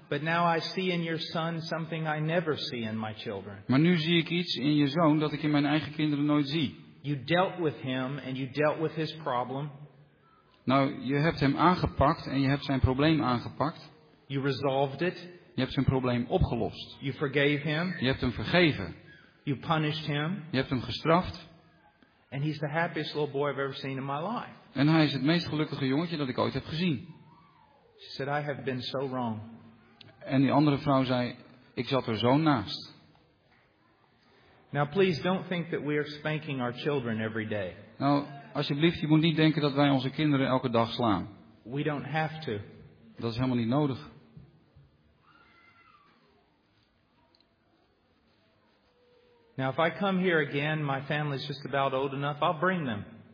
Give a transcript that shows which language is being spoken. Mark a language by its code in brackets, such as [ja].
[en] But now I see in your son something I never see in my children. [nl] Maar nu zie ik iets in je zoon dat ik in mijn eigen kinderen nooit zie. [en] You dealt with him and you dealt with his problem. [nl] Nou, je hebt hem aangepakt en je hebt zijn probleem aangepakt. [en] You resolved it. [nl] Je hebt zijn probleem opgelost. [en] You forgave him. [nl] Je hebt hem vergeven. [en] You punished him. [nl] Je hebt hem gestraft. [en] And he's the happiest little boy I've ever seen in my life. [nl] En hij is het meest gelukkige jongetje dat ik ooit heb gezien. [en] She said, I have been so wrong. [nl] En die andere vrouw zei, ik zat er zo naast. [en] Now please don't think that we are spanking our children every day. [nl] Nou, alsjeblieft, je moet niet denken dat wij onze kinderen elke dag slaan. [en] We don't have to. [nl] Dat is helemaal niet nodig. [en] Now if I come here again, my family is just about old enough, I'll bring them.